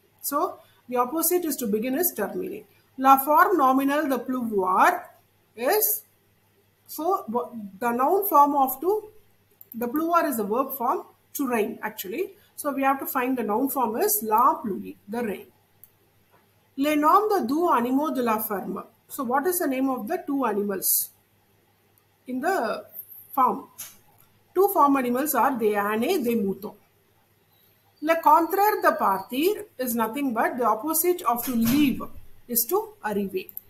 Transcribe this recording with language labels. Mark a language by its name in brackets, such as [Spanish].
[English] So the opposite is to begin is terminer. [French] La forme nominale de pleuvoir [English] is. So the noun form of to. The pleuvoir is the verb form to rain actually. So we have to find the noun form is la pluie, the rain. [French] Le nom de deux animaux de la ferme. [English] So what is the name of the two animals? In the farm. Two farm animals are [French] de ane, de mouton. Le contraire de partir [English] is nothing but the opposite of to leave is to arriver.